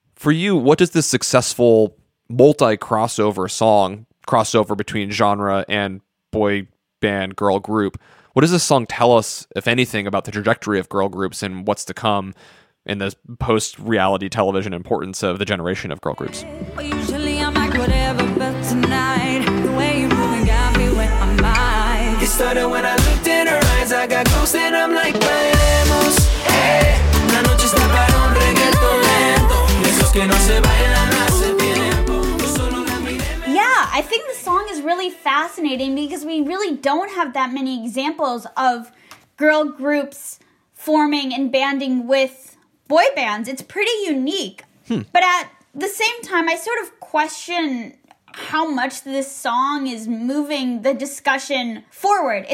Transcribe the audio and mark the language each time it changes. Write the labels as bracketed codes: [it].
[en] For you, what does this successful multi-crossover song, crossover between genre and boy band girl group, what does this song tell us, if anything, about the trajectory of girl groups and what's to come in the post-reality television importance of the generation of girl groups? Usually I'm like whatever, but tonight, the way you moving got me when I'm high. It started when I looked in her eyes, I got ghosts and I'm like, [es] bailemos, [en] hey. [es] Una noche está para un reggaeton lento. Esos que no se bailan hace tiempo. [en] Yeah, I think the song is really fascinating because we really don't have that many examples of girl groups forming and banding with boy bands. It's pretty unique. But at the same time, I sort of question how much this song is moving the discussion forward.